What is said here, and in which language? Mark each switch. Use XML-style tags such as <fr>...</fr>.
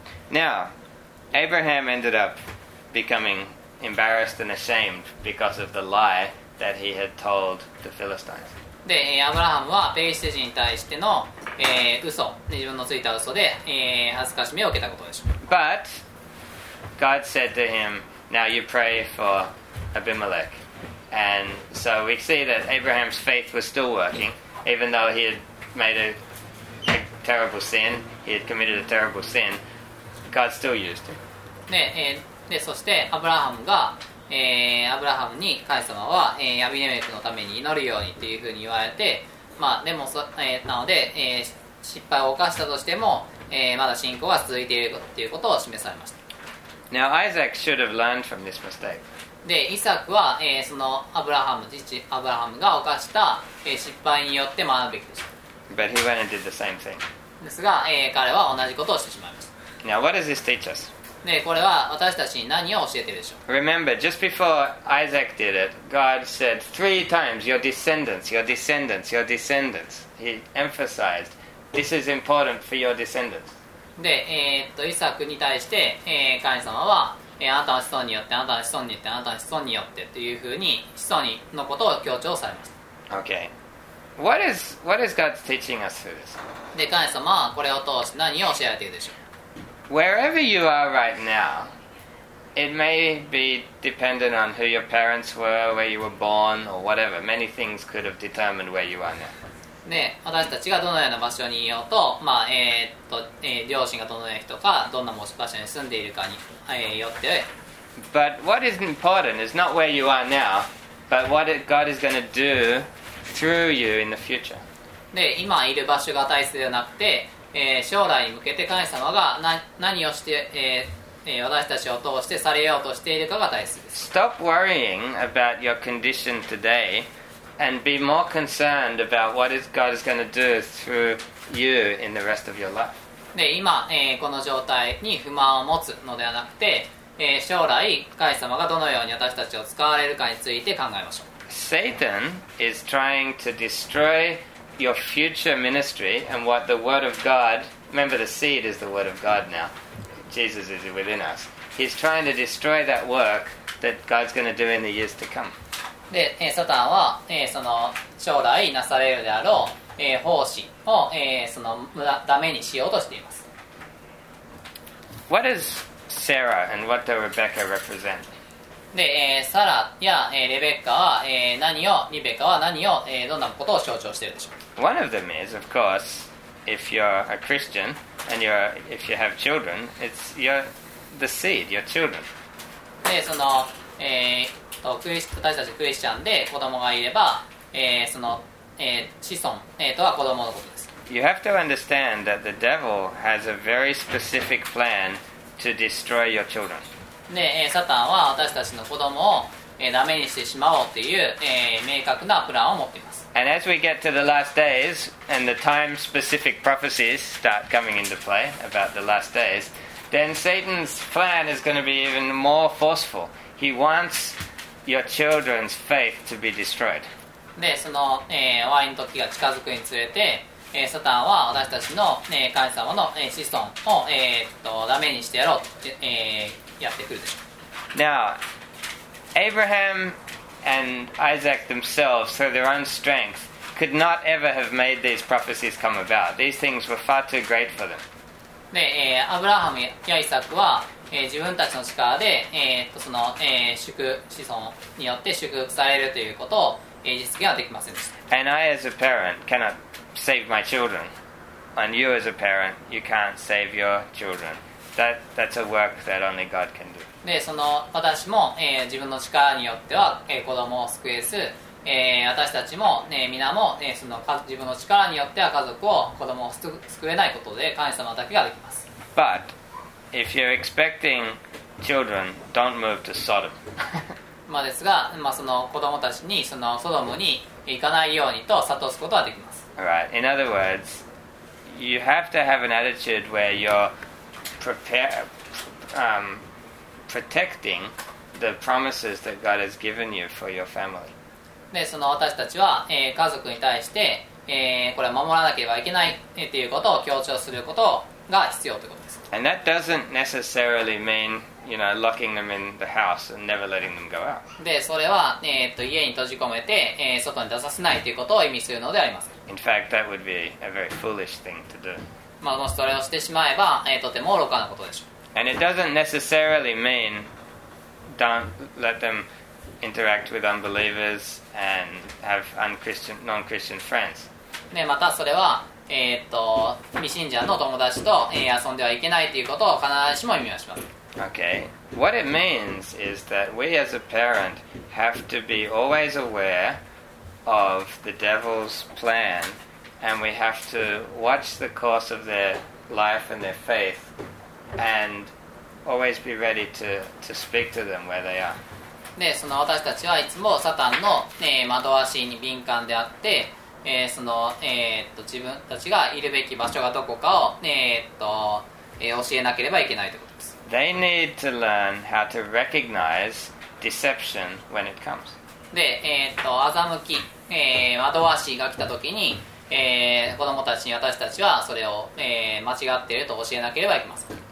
<en>Now, Abraham ended up becoming embarrassed and ashamed because of the lie that he had told the Philistines.</en> <ja>で、アブラハムはペリシテ人に対しての、嘘、自分のついた嘘で、恥ずかしめを受けたことでしょう。</ja> <en>But,God said to him, now you pray for Abimelech. And so we see that Abraham's faith was still working, even though he had made a terrible sin, he had committed a terrible sin, God still used him.</en> <ja>で、そしてアブラハムに神様は、アビメレクのために祈るようにというふうに言われて、まあでもなので、失敗を犯したとしても、まだ信仰は続いているということを示されました。</ja> <en>Now Isaac should have learned from this mistake.</en> <ja>で、イサクは、そのアブラハム、父アブラハムが犯した、失敗によって学ぶべきでした。</ja> <en>But he went and did the same thing.</en> <ja>ですが、彼は同じことをしてしまいました。</ja> <en>Now what does this teach us?</en> <ja>で、これは私たちに何を教えているでしょう。</ja> <en>Remember, just before Isaac did it, God said three times, your descendants, your descendants, your descendants. He emphasized, this is important for your descendants.</en> <ja>で、イサクに対して、神様は、あなたの子孫によって、あなたの子孫によって、あなたの子孫によってというふうに子孫のことを強調されました。</ja> <en>Okay. What is God teaching us through this?</en> <ja>で、神様はこれを通して何を教えているでしょう。</ja> <en>Wherever you are right now, it may be dependent on who your parents were, where you were born, or whatever. Many things could have determined where you are now.</en> <ja>ね、私たちがどのような場所にいようと、まあ両親がどのような人か、どんな場所に住んでいるかに、よって。</ja> <en>But what is important is not where you are now, but what God is going to do through you in the future.</en> <ja>で、今いる場所が大切ではなくて、将来に向けて神様が 何をして、私たちを通してされようとしているかが大切です。</ja> <en>Stop worrying about your condition today and be more concerned about what God is going to do through you in the rest of your life.</en> <ja>で、今、この状態に不満を持つのではなくて、将来、神様がどのように私たちを使われるかについて考えましょう。</ja> <en>Satan is trying to destroy your future ministry and what the Word of God, remember the seed is the Word of God now, Jesus is within us. He's trying to destroy that work that God's going to do in the years to come.</en> <ja>で、サタンは、その将来なされるであろう、奉仕を、その無駄、ダメにしようとしています。</ja> <en>What is... Sarah and what does Rebecca represent?</en> <ja>で、サラや、レベッカは、リベッカは何を、どんなことを象徴しているでしょう。</ja> <en>One of them is, of course, if you're a Christian and you're, if you have children, it's your, the seed, your children.</en> <ja>で、その、私たちクリスチャンで子供がいれば、その、子孫、とは子供のことです。</ja> <en>You have to understand that the devil has a very specific plan. To destroy your children.</en> <ja>で、サタンは私たちの子供を、ダメにしてしまおうという、明確なプランを持っています。</ja> <en>And as we get to the last days and the time-specific prophecies start coming into play about the last days, then Satan's plan is going to be even more forceful. He wants your children's faith to be destroyed.</en> <ja>で、その、終わりの時が近づくにつれて。サタンは私たちの神様の子孫をダメにしてやろうとやってくるでしょう。</ja> <en>Now, Abraham and Isaac themselves, through their own strength, could not ever have made these prophecies come about. These things were far too great for them.</en> <ja>で、アブラハムやイサクは自分たちの力で、その祝子孫によって祝福されるということを実現はできませんでした。</ja> <en>And I, as a parent, cannot. Save my children, and you as a parent, you can't save your children. That's a work that only God can do.</en> <ja>で、その私も、自分の力によっては、子供を救えず、私たちも、皆も、その自分の力によっては家族を子供を救えないことで神様だけができます。</ja> <en>But if you're expecting children, don't move to Sodom.</en> <ja>まあですが、まあその子供たちにそのソドムに行かないようにと諭すことはできます。</ja> <en>Right. In other words, you have to have an attitude where you're protecting the promises that God has given you for your family.</en> <ja>で、その私たちは、家族に対して、これを守らなければいけないっていうことを強調することが必要ということです。</ja> <en>And that doesn't necessarily mean, you know, locking them in the house and never letting them go out.</en> <ja>で、それは、家に閉じ込めて、外に出させないということを意味するのであります。</ja> <en>In fact, that would be a very foolish thing to do.</en> <ja>まあ、もしそれをしてしまえば、とても愚かなことでしょう。</ja> <en>And it doesn't necessarily mean don't let them interact with unbelievers and have un-Christian, non-Christian friends.</en> <ja>ね、またそれは、未信者の友達と、遊んではいけないということを必ずしも意味はします。</ja> <en>Okay. What it means is that we as a parent have to be always aware. Of the devil's plan, and we have to watch the course of their life and their faith, and always be ready to speak to them where they are.</en> <ja>で、その私たちはいつもサタンの、惑わしに敏感であって、その、自分たちがいるべき場所がどこかを、教えなければいけないということです。</ja> <en>They need to learn how to recognize deception when it comes.</en> <ja>で、欺き、惑わしが来た時に、子供たちに私たちはそれを、間違っていると教えなければいけません。</ja>